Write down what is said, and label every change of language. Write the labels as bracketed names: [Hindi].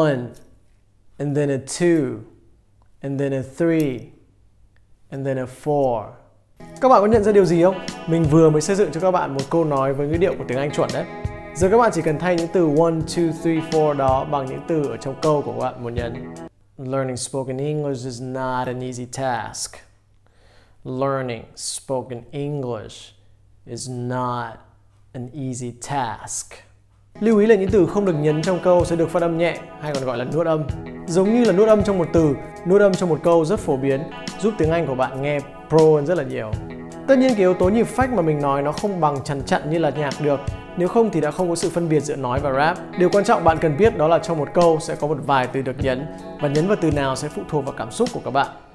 [English] 1 and then a 2 and then a 3 and then a 4. [Vietnamese] Các bạn có nhận ra điều gì không? Mình vừa mới xây dựng cho các bạn một câu nói với ngữ điệu của tiếng Anh chuẩn đấy. Giờ các bạn chỉ cần thay những từ 1, 2, 3, 4 đó bằng những từ ở trong câu của các bạn muốn nhấn. [English] Learning spoken English is not an easy task. Learning spoken English is not an easy task. [Vietnamese] Lưu ý là những từ không được nhấn trong câu sẽ được phát âm nhẹ, hay còn gọi là nuốt âm. Giống như là nuốt âm trong một từ, nuốt âm trong một câu rất phổ biến, giúp tiếng Anh của bạn nghe pro hơn rất là nhiều. Tất nhiên cái yếu tố nhịp phách mà mình nói nó không bằng chằn chặn như là nhạc được. Nếu không thì đã không có sự phân biệt giữa nói và rap. Điều quan trọng bạn cần biết đó là trong một câu sẽ có một vài từ được nhấn, và nhấn vào từ nào sẽ phụ thuộc vào cảm xúc của các bạn.